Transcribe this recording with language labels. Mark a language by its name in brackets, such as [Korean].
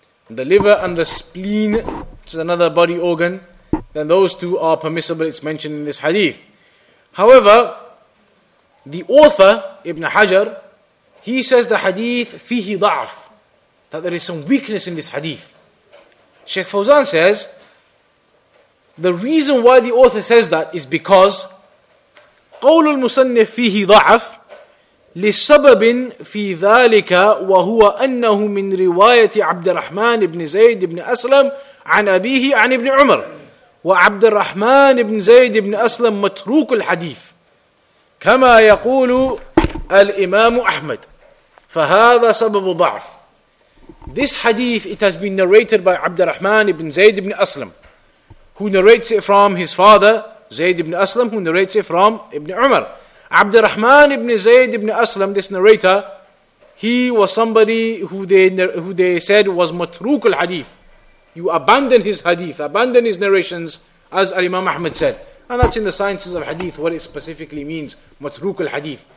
[English] The liver and the spleen, which is another body organ, then those two are permissible. It's mentioned in this hadith. However, the author, Ibn Hajar, he says the hadith, fihi da'af, that there is some weakness in this hadith. Sheikh Fawzan says, the reason why the author says that is because, [Arabic] قول المصنف فيه ضعف لسبب في ذلك وهو أنه من رواية عبد الرحمن بن زيد بن أسلم عن أبيه عن ابن عمر وعبد الرحمن بن زيد بن أسلم متروك الحديث كما يقول الإمام أحمد فهذا سبب ضعف [English] This hadith, it has been narrated by عبد الرحمن بن زيد بن أسلم who narrates it from his father Zayd ibn Aslam, who narrates it from Ibn Umar. Abd al-Rahman ibn Zayd ibn Aslam, this narrator, he was somebody who they said was matruk al-hadith. You abandon his hadith, abandon his narrations, as Al-Imam Ahmad said. And that's in the sciences of hadith, what it specifically means, matruk al-hadith.